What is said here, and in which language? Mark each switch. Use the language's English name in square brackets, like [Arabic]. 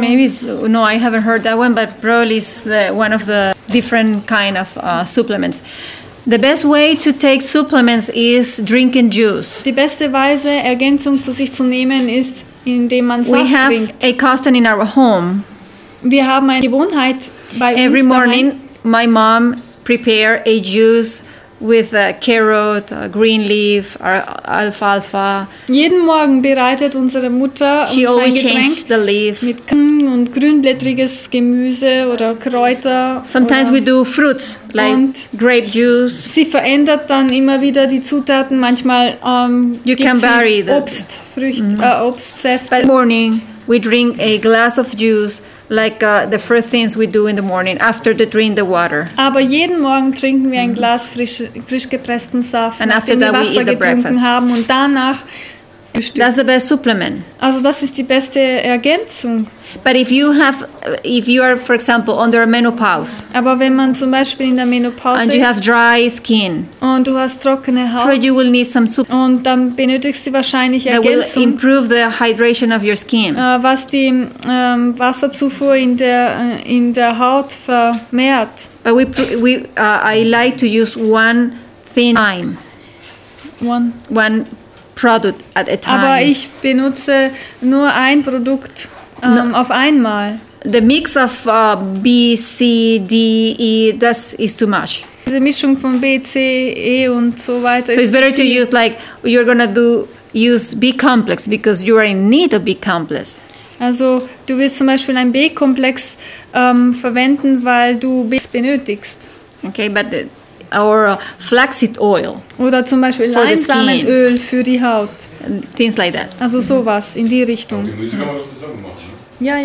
[English] Maybe, no, I haven't heard that one, but probably it's one of the different kind of supplements. The best way to take supplements is drinking juice. [German] Die beste Weise, Ergänzung zu sich zu nehmen, ist, indem man Saft trinkt. [English] We have a custom in our home. [German] Wir haben eine Gewohnheit bei uns. [English] Every morning, my mom prepare a juice with a carrot, a green leaf, or alfalfa. [German] Jeden Morgen bereitet unsere Mutter ein Getränk [English] the leaf. [German] Mit und grünblättriges Gemüse oder Kräuter. [English] Sometimes [German] oder [English] we do fruits like und grape juice. [German] Sie verändert dann immer wieder die Zutaten. Manchmal [English] you can vary [German] Obst, Frücht, Obstsäfte. [English] But morning we drink a glass of juice. Like the first things we do in the morning after the drink the water. [German] Aber jeden Morgen trinken wir ein Glas frisch gepressten Saft, nachdem wir Wasser getrunken haben und danach. [English] That's the best supplement. [German] Also das ist die beste Ergänzung. [English] But if you are, for example, under a menopause. [German] Aber wenn man zum Beispiel in der Menopause ist. [English] And you have dry skin. [German] Und du hast trockene Haut. [English] You will need some [German] und dann benötigst du wahrscheinlich Ergänzung. [English] That will improve the hydration of your skin. [German] Was die Wasserzufuhr in der Haut vermehrt. [English] But I like to use one thing. One product at a time. [German] Aber ich benutze nur ein Produkt auf einmal. [English] The mix of B, C, D, E, that is too much. [German] Diese Mischung von B, C, E und so weiter ist. [English] So it's better to use like you're gonna do use B complex because you are in need of B complex. [German] Also du willst zum Beispiel ein B complex verwenden, weil du B benötigst. [English] Okay, but or flaxseed oil. [German] Oder zum Beispiel Leinsamenöl für die Haut. [English] Things like that. [German] Also sowas in die Richtung. Aber Gemüse kann man das zusammen machen, ne?